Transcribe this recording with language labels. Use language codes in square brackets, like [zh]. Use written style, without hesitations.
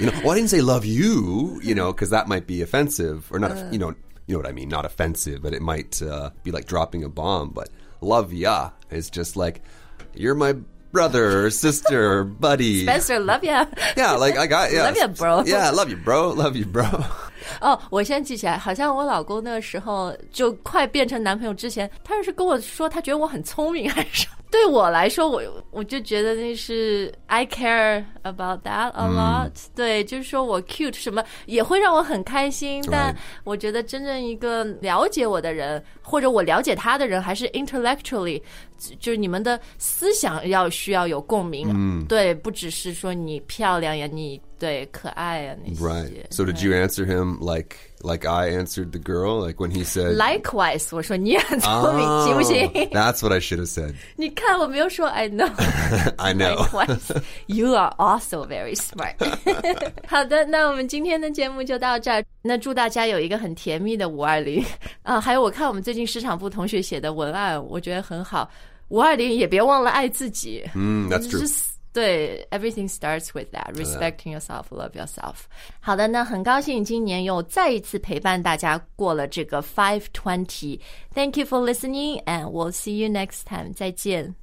[en] You know, well, I didn't say love you, you know, because that might be offensive. Or not,、you know what I mean, not offensive, but it might、be like dropping a bomb. But love ya is just like, you're my brother, sister, buddy. Spencer, love ya. Yeah, like I got, yeah. Love ya, bro. Yeah, love you, bro. Love you, bro. [zh] 哦、oh, ，我现在记起来，好像我老公那个时候就快变成男朋友之前，他是跟我说他觉得我很聪明，还是对我来说，我就觉得那是 [en] I care about that a lot、 [zh] mm.。对，就是说我 cute 什么也会让我很开心，但我觉得真正一个了解我的人，或者我了解他的人，还是 intellectually， 就是你们的思想要需要有共鸣。 Mm. 对，不只是说你漂亮呀，你。对，可爱啊，那些。 [en] Right. So did you answer him like I answered the girl? Like when he said... [zh] Likewise, 我说你很聪明，行不行？ [en] That's what I should have said. [zh] 你看，我没有说 I know. [en] I know. Likewise, you are also very smart. [zh] 好的，那我们今天的节目就到这儿。那祝大家有一个很甜蜜的520。还有我看我们最近市场部同学写的文案，我觉得很好。 520也别忘了爱自己。 [en] That's true. [zh] 对 [en] ，everything starts with that. Respecting yourself, love yourself. [zh] 好的，那很高兴今年又再一次陪伴大家过了这个520. [en] Thank you for listening, and we'll see you next time. [zh] 再见。